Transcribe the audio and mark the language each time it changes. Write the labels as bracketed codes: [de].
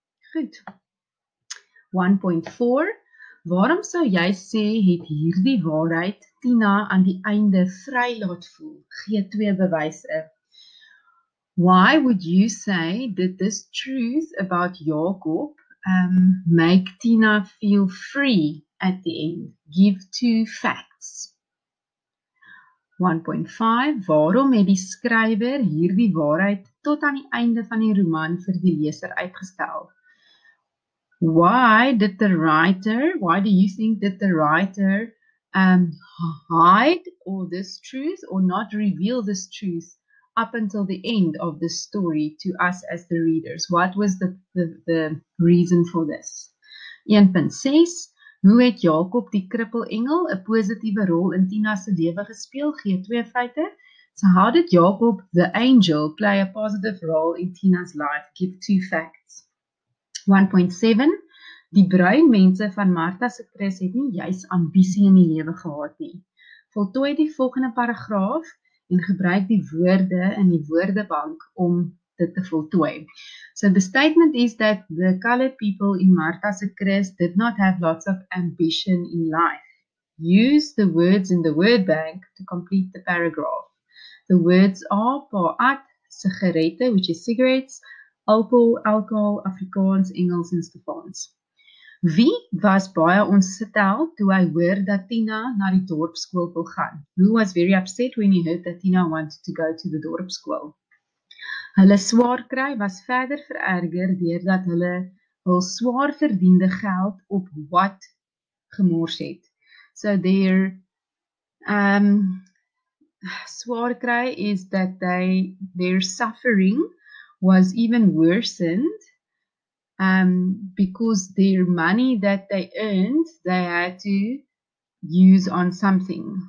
[af] Goed. 1.4, waarom sou jy sê het hierdie waarheid Tina aan die einde vry laat voel? Gee twee bewyse. [en] Why would you say that this truth about Jakob make Tina feel free at the end? Give 2 facts. [af] 1.5, waarom het die skrywer hierdie waarheid tot aan die einde van die roman vir die leser uitgestel? [en] Why did the writer, why do you think that the writer hide all this truth or not reveal this truth up until the end of the story to us as the readers? What was the reason for this? [af] 1.6, hoe het Jakob die krippel engel 'n positiewe rol in Tina se lewe gespeel? Gee 2 feite. [en] So how did Jakob the angel play a positive role in Tina's life? Give 2 facts. [af] 1.7, die bruin mense van Martha se kris het nie juis ambisie in die lewe gehad nie. Voltooi die volgende paragraaf en gebruik die woorde in die woordebank om dit te voltooi. [en] So the statement is that the colored people in Martha se kris did not have lots of ambition in life. Use the words in the word bank to complete the paragraph. The words are pa'at, sigarette, which is cigarettes, alcohol, Afrikaans, Engels en Stefans. [af] Wie was baie ontstel toe hy hoor dat Tina na die dorpskool wil gaan? [en] Who was very upset when he heard that Tina wanted to go to the dorpskool? [af] Hulle swaarkry was verder vererger deurdat hulle hul swaar verdiende geld op wat gemors het. [en] So their swaarkry is that their suffering was even worsened because their money that they earned, they had to use on something.